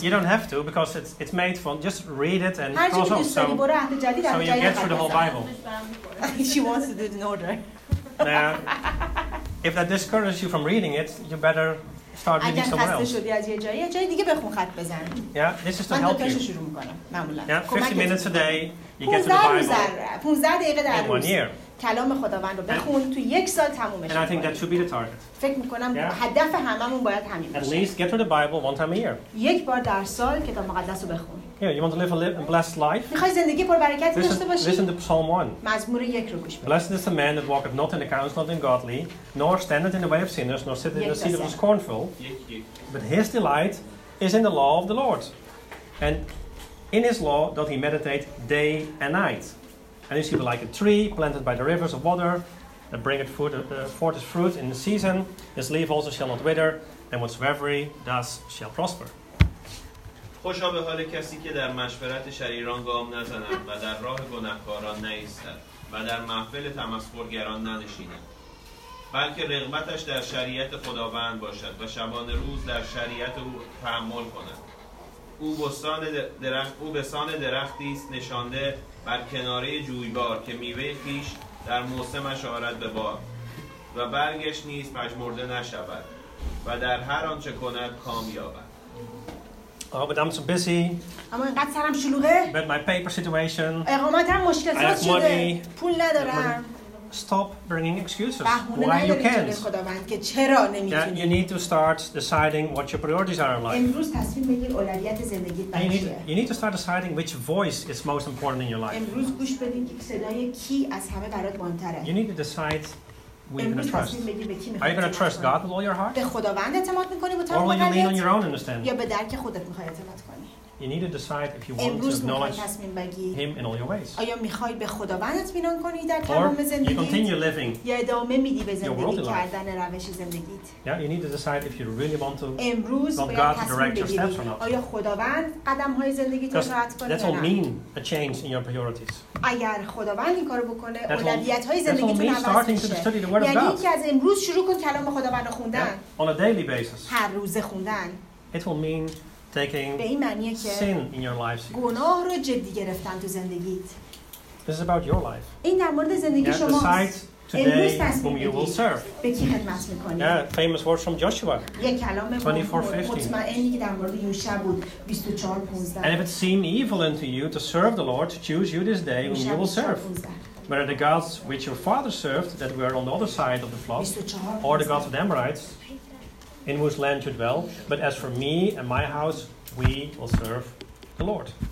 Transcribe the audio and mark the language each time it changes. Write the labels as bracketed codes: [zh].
[en] No, you don't have to because it's made from just read it and cross off. So you get through the whole Bible. She wants to do it in order. Now, if that discourages you from reading it, you better start reading [fa] اگر [en] somewhere [fa] خسته شدی از یه جایی دیگه بخون خط بزن. [en] Yeah, this is to help you. [fa] من دو تاشو شروع میکنم معمولا. [en] Yeah, 50 minutes a day you get to the Bible. [fa] 15 دقیقه در روز کلام خداوند رو بخون تو یک سال تمومش کن. [en] And I think that should be the target. [fa] فکر میکنم هدف هممون باید همین باشه. [en] At least get to the Bible one time a year. [fa] یک بار در سال کتاب مقدس رو بخون. [en] Yeah, you want to live a blessed life? [fa] میخوای زندگی پربرکتی داشته باشی؟ [en] Listen to Psalm 1. [fa] مزمور یک رو گوش بده. [en] Blessed is the man that walketh not in the counsel of the ungodly, nor standeth in the way of sinners, nor sitteth in the seat of the scornful. But his delight is in the law of the Lord. And in his law doth he meditate day and night. And is he like a tree planted by the rivers of water, that bringeth forth his fruit in the season, his leaf also shall not wither, and whatsoever he does shall prosper. [fa] خوشا به حال کسی که در مشورت شریران گام نزند و در راه گناهکاران نایستد و در محفل تمسخرگران ننشیند، بلکه رغبتش در شریعت خداوند باشد و شبان روز در شریعت او تأمل کند. او بستان درختی است نشانده بر کناره جویبار که میوه خیش در موسمش آرد به بار و برگش نیز پژمرده نشود و در هر آنچه کند کام یابد. [en] Oh, but I'm so busy. [fa] اما اینقدر سرم شلوغه. [en] But my paper situation. [fa] اقامتم مشکل ساز شده. پول ندارم. [en] Stop bringing excuses why you can't. [fa] خداوند که چرا نمیتونی. [en] You need to start deciding what your priorities are in life. [fa] امروز تصمیم بگیر اولویت زندگیت چیه. [en] You need to start deciding which voice is most important in your life. [fa] امروز گوش بدین که صدای کی از همه برات مهمتره. [en] You need to decide. Are you going to trust God with all your heart? [fa] به خداوند اعتماد می‌کنی و تمام قلبت؟ یا به درک خودت می‌خوای اعتماد کنی؟ [en] You need to decide if you want to acknowledge him in all your ways. [fa] آیا میخوای به خداوندت مینان کنی در تمام زندگیت؟ [en] You continue living. [fa] یا ادامه میدی به زندگی کردن روش زندگیت؟ [en] Yeah, you need to decide if you really want to [fa] امروز [en] want God to direct your steps or not. [fa] آیا خداوند قدم های زندگیت رو رهبری کنه؟ [en] That will mean a change in your priorities. [fa] اگر خداوند این کارو بکنه، اولویت های زندگیت رو عوض کنه. [en] That will mean [fa] یعنی از امروز شروع کن کلام خداوند رو خوندن. [en] Yeah, on a daily basis. [fa] هر روز خوندن. [en] It will mean taking sin in your life. [fa] گناه رو جدی گرفتن تو زندگیت. [en] This is about your life. [fa] این در مورد زندگی شما. [en] Decide today whom you will serve. [fa] به کی خدمت می‌کنی؟ [en] Yeah, famous words from Joshua. [fa] یک کلام مطمئنی که در مورد یوشع بود 24:15. [en] And if it seem evil unto you to serve the Lord, choose you this day whom you will serve. Whether the gods which your father served that were on the other side of the flood, or the gods of the Amorites. In whose land you dwell, but as for me and my house, we will serve the Lord.